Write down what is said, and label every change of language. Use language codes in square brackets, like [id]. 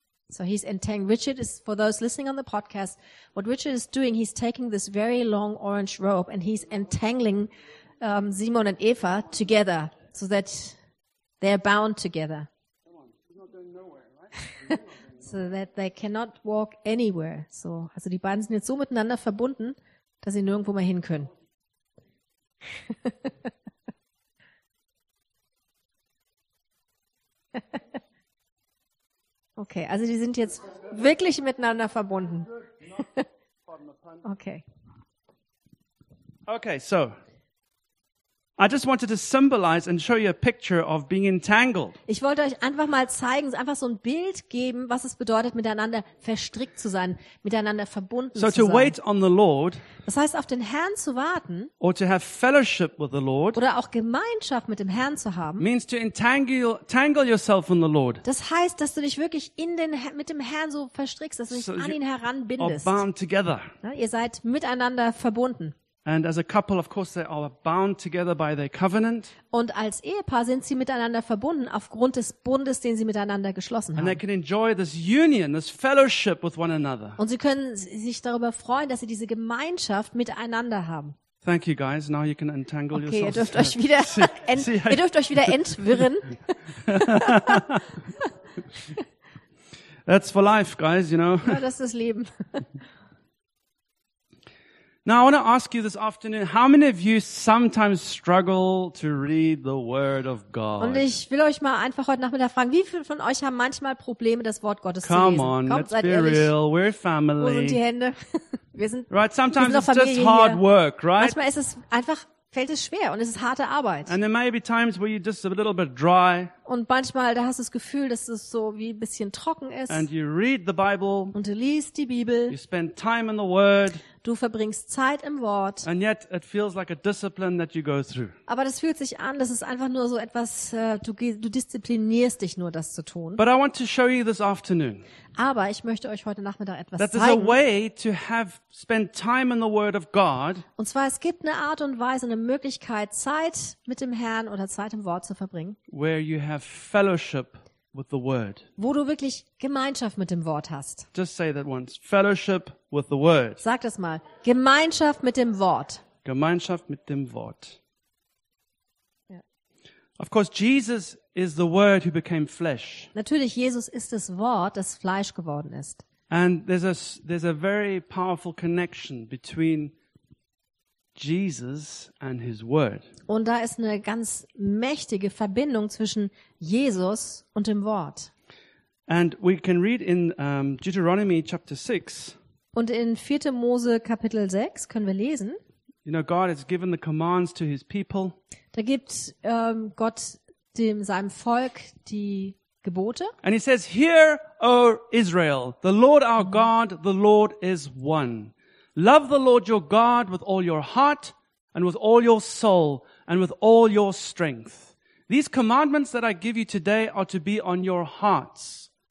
[en] So he's entangling. Richard is, for those listening on the podcast, what Richard is doing, he's taking this very long orange rope and he's entangling Simon and Eva together, so that they're bound together. Come on, he's not going nowhere, right? So that they cannot walk anywhere. [de] So, also die beiden sind jetzt so miteinander verbunden, dass sie nirgendwo mehr hin können. Okay, also die sind jetzt wirklich miteinander verbunden. Okay. [en] Okay, so I just wanted to symbolize and show you a picture of being entangled. [de] Ich wollte euch einfach mal zeigen, einfach so ein Bild geben, was es bedeutet, miteinander verstrickt zu sein, miteinander verbunden zu sein. [en] So to wait on the Lord. [de] Das heißt, auf den Herrn zu warten. [en] Or to have fellowship with the Lord. [de] Oder auch Gemeinschaft mit dem Herrn zu haben. [en] Means to entangle yourself in the Lord. [de] Das heißt, dass du dich wirklich mit dem Herrn so verstrickst, dass du dich an ihn heranbindest. [en] Are bound together. [de] Ja, ihr seid miteinander verbunden. [en] And as a couple, of course, they are bound together by their covenant. [de] Und als Ehepaar sind sie miteinander verbunden aufgrund des Bundes, den sie miteinander geschlossen haben. [en] And they can enjoy this union, this fellowship with one another. [de] Und sie können sich darüber freuen, dass sie diese Gemeinschaft miteinander haben. [en] Thank you, guys. Now you can entangle yourselves. [de] Okay, ihr dürft euch wieder entwirren. [en] That's for life, guys. You know. [de] Ja, das ist das Leben. [en] Now I want to ask you this afternoon, how many of you sometimes struggle to read the word of God? [de] Und ich will euch mal einfach heute Nachmittag fragen, wie viele von euch haben manchmal Probleme, das Wort Gottes [en] Come [de] zu lesen? [en] Come on, let's be real, we're family. [de] Wo sind die Hände? [en] Right, sometimes it's just hard work, right? [de] Manchmal ist es einfach, fällt es schwer und es ist harte Arbeit. [en] And there may be times where you're just a little bit dry. [de] Und manchmal, da hast du das Gefühl, dass es so wie ein bisschen trocken ist. [en] And you read the Bible. [de] Und du liest die Bibel. [en] You spend time in the word. [de] Du verbringst Zeit im Wort. [en] And yet it feels like a discipline that you go through. [de] Aber das fühlt sich an, das ist einfach nur so etwas, du disziplinierst dich nur, das zu tun. [en] But I want to show you this afternoon. [de] Aber ich möchte euch heute Nachmittag etwas [en] that [de] zeigen. [en] That there's a way to have spend time in the word of God. [de] Und zwar, es gibt eine Art und Weise, eine Möglichkeit, Zeit mit dem Herrn oder Zeit im Wort zu verbringen. [en] Where you have fellowship with the word. [de] Wo du wirklich Gemeinschaft mit dem Wort hast. [en] Just say that once. Fellowship with the word. [de] Sag das mal. Gemeinschaft mit dem Wort. Gemeinschaft mit dem Wort. [en] Of course, Jesus is the word who became flesh. [de] Natürlich, Jesus ist das Wort, das Fleisch geworden ist. [en] And there's a very powerful connection between Jesus and his word. [de] Und da ist eine ganz mächtige Verbindung zwischen Jesus und dem Wort. [en] And we can read in Deuteronomy chapter 6. [de] Und in 4. Mose Kapitel 6 können wir lesen. [en] You know, God has given the commands to his people. [de] Da gibt Gott seinem Volk die Gebote. [en] And he says, "Hear, O Israel, the Lord our God, the Lord is one." Love the Lord your God with all your heart and with all your soul and with all your strength. These commandments that I give you today are to be on your hearts.